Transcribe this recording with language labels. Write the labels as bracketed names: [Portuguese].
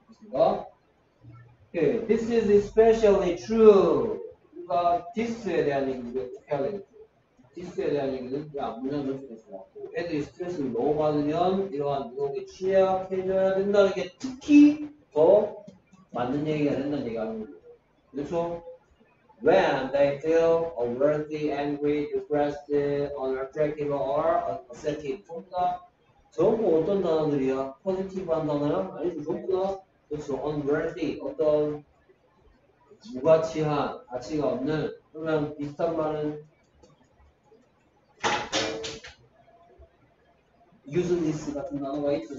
[Korean] 그렇습니까? [English] Okay. This is especially true. [Korean] 그러니까, this에 대한 얘기는 어떻게 해야 되겠죠? this에 대한 얘기는, 야, 문장 좀 해주세요. 애들이 스트레스를 너무 받으면, 이러한 유혹에 취약해져야 된다는 게 특히 더 맞는 얘기가 된다는 얘기 아닙니까? 그렇죠? [English] When they feel unworthy, angry, depressed, unattractive, or upsetting. [Korean] 전부 다, 전부 어떤 단어들이야? 포지티브한 단어야? 아니, 전부 다. 그렇죠. unworthy. 어떤 무가치한, 가치가 없는. 그러면 비슷한 말은 useless 같은 단어가 있어.